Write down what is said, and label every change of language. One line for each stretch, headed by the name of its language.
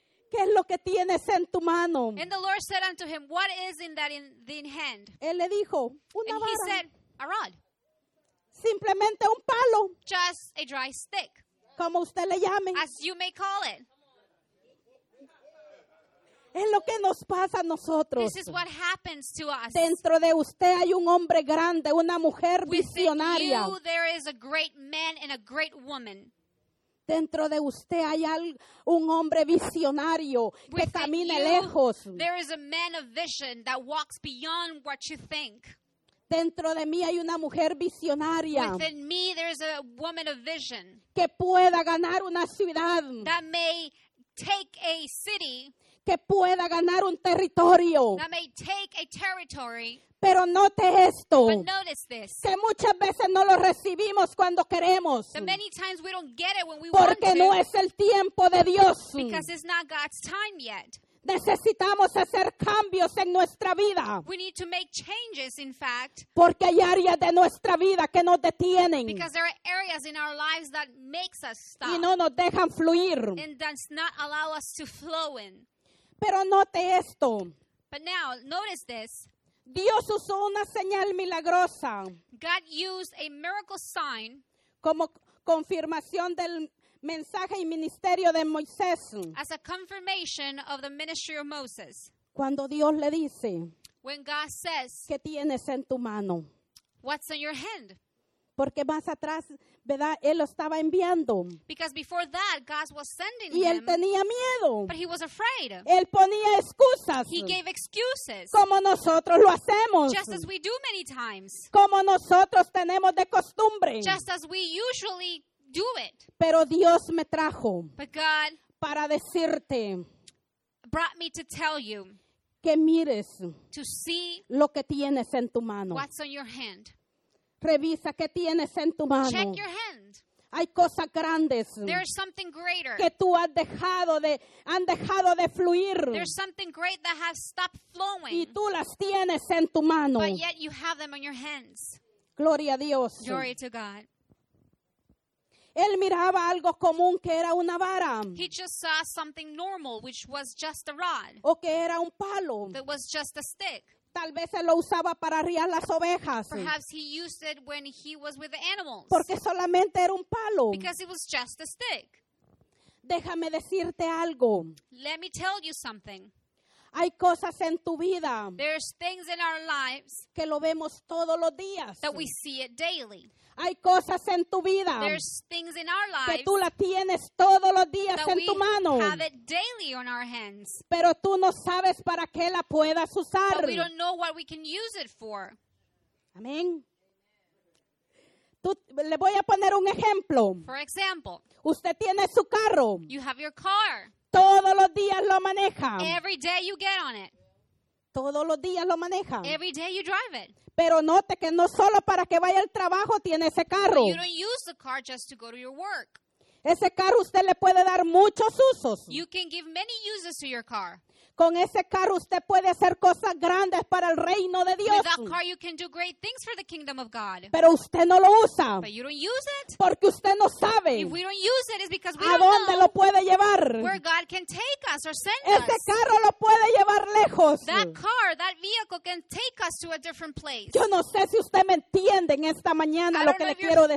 Spanish: ¿Qué es lo que tienes en tu mano?
English: And the Lord said unto him, what is in that in hand?
Spanish: Él le dijo, una
English: And
Spanish: vara.
English: And he said, a rod.
Spanish: Simplemente un palo.
English: Just a dry stick.
Spanish: Como usted le llame.
English: As you may call it.
Spanish: Es lo que nos pasa a nosotros.
English: This is what happens to us.
Spanish: Dentro de usted hay un hombre grande, una mujer
English: Within
Spanish: visionaria.
English: Within you there is a great man and a great woman.
Spanish: dentro de usted hay un hombre visionario que camina lejos.
English: There is a man of vision that walks beyond what you think.
Spanish: Dentro de mí hay una mujer visionaria.
English: Within me there is a woman of vision.
Spanish: Que pueda ganar una ciudad.
English: That may take a city.
Spanish: Que pueda ganar un territorio.
English: That may take a territory.
Spanish: Pero note esto.
English: But notice this.
Spanish: Que muchas veces no lo recibimos cuando queremos.
English: That many times we don't get it when we want to.
Spanish: Porque no es el tiempo de Dios.
English: Because it's not God's time yet.
Spanish: Necesitamos hacer cambios en nuestra vida.
English: We need to make changes, in fact.
Spanish: Porque hay áreas de nuestra vida que nos detienen.
English: Because there are areas in our lives that makes us stop.
Spanish: Y no nos dejan fluir.
English: And does not allow us to flow in.
Spanish: Pero note esto.
English: But now, notice this.
Spanish: Dios usó una señal milagrosa.
English: God used a miracle sign.
Spanish: Como confirmación del mensaje y ministerio de Moisés.
English: As a confirmation of the ministry of Moses.
Spanish: Cuando Dios le dice.
English: When God says.
Spanish: ¿Qué tienes en tu mano?
English: What's in your hand?
Spanish: Porque más atrás, ¿verdad? Él lo estaba enviando.
English: Because before that, God was sending him.
Spanish: Y él
English: him,
Spanish: tenía miedo.
English: But he was afraid.
Spanish: Él ponía excusas.
English: He gave excuses.
Spanish: Como nosotros lo hacemos.
English: Just as we do many times.
Spanish: Como nosotros tenemos de costumbre.
English: Just as we usually do it.
Spanish: Pero Dios me trajo.
English: But God
Spanish: para decirte.
English: Brought me to tell you.
Spanish: Que mires.
English: To see.
Spanish: Lo que tienes en tu mano.
English: What's on your hand.
Spanish: Revisa qué tienes en tu mano.
English: Check your hand.
Spanish: Hay cosas grandes.
English: There is something greater.
Spanish: Que tú has dejado de, han dejado de fluir.
English: There's something great that has stopped flowing.
Spanish: Y tú las tienes en tu mano.
English: But yet you have them on your hands.
Spanish: Gloria a Dios.
English: Glory to God.
Spanish: Él miraba algo común que era una vara.
English: He just saw something normal, which was just a rod.
Spanish: O que era un palo.
English: That was just a stick.
Spanish: Tal vez él lo usaba para arriar las ovejas.
English: Perhaps he used it when he was with the animals.
Spanish: Porque solamente era un palo.
English: Because it was just a stick.
Spanish: Déjame decirte algo.
English: Let me tell you something.
Spanish: Hay cosas en tu vida.
English: There's things in our lives.
Spanish: Que lo vemos todos los días.
English: That we see it daily.
Spanish: Hay cosas en tu vida.
English: There's things in our lives.
Spanish: Que tú la tienes todos los días en tu mano.
English: That we have it daily on our hands.
Spanish: Pero tú no sabes para qué la puedas usar.
English: But we don't know what we can use it for.
Spanish: Amén. Tú, le voy a poner un ejemplo.
English: For example.
Spanish: Usted tiene su carro.
English: You have your car.
Spanish: Todos los días lo maneja.
English: Every day you get on it.
Spanish: Todos los días lo maneja.
English: Every day you drive it.
Spanish: Pero note que no solo para que vaya al trabajo tiene ese carro.
English: But you don't use the car just to go to your work.
Spanish: Ese carro usted le puede dar muchos usos.
English: You can give many uses to your car.
Spanish: Con ese carro usted puede hacer cosas grandes para el reino de Dios.
English: With that car you can do great things for the kingdom of God.
Spanish: Pero usted no lo usa.
English: But you don't use it.
Spanish: Porque usted no sabe.
English: If we don't use it, it's because we don't know.
Spanish: ¿A dónde lo puede llevar?
English: Where God can take us or send us.
Spanish: Ese carro lo puede llevar lejos.
English: That car, that vehicle can take us to a different place.
Spanish: Yo no sé si usted me entiende en esta mañana lo que le quiero decir.